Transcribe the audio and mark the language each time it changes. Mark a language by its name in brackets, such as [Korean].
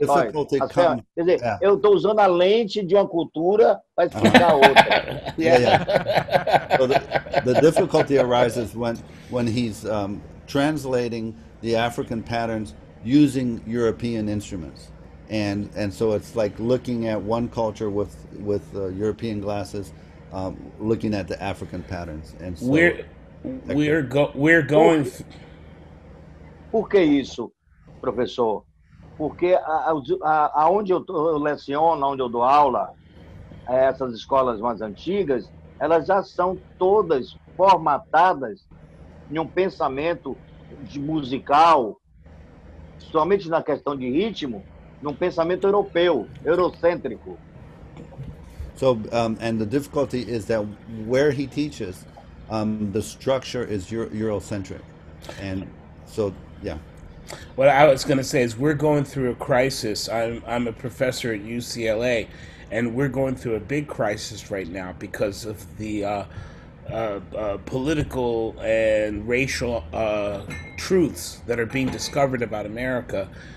[Portuguese] Quer dizer, eu estou usando a lente de uma cultura para explicar a outra. [English] So the difficulty arises when he's translating the African patterns using European instruments. And so it's like looking at one culture with European glasses, looking at the African patterns. And so, We're going. [Portuguese] Por que isso, professor? Porque aonde eu leciono, onde eu dou aula, essas escolas mais antigas, elas já são todas formatadas em um pensamento de musical, somente na questão de ritmo, num pensamento europeu, eurocêntrico. [English] So, and the difficulty is that where he teaches, the structure is Eurocentric, and so, yeah. What I was going to say is we're going through a crisis. I'm a professor at UCLA, and we're going through a big crisis right now because of the political and racial truths that are being discovered about America.